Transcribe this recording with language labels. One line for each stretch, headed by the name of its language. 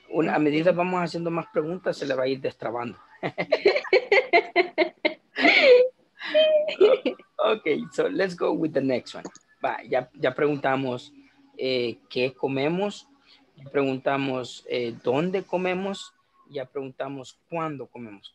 Spanish: A medida vamos haciendo más preguntas, se le va a ir destrabando.
English: Okay, so let's go with the next one.
Spanish: Va, ya preguntamos qué comemos, preguntamos dónde comemos, ya preguntamos cuándo comemos.